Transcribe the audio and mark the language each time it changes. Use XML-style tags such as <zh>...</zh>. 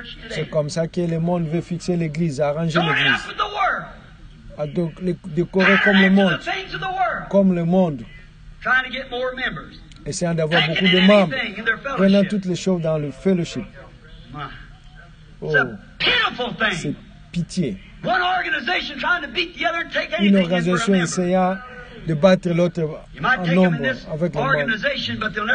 <fr>C'est comme ça que le monde veut fixer l'église, arranger l'église. Donc, décorer comme le monde. Comme le monde.</fr> <en>Trying to get more members.</en> <fr>Essayant d'avoir beaucoup de membres, prenant toutes les choses dans le fellowship. Oh, c'est pitié.</fr> <en>One organization trying to beat the other, take</en> <fr>une organisation essayant de battre l'autre en nombre avec le monde.</fr>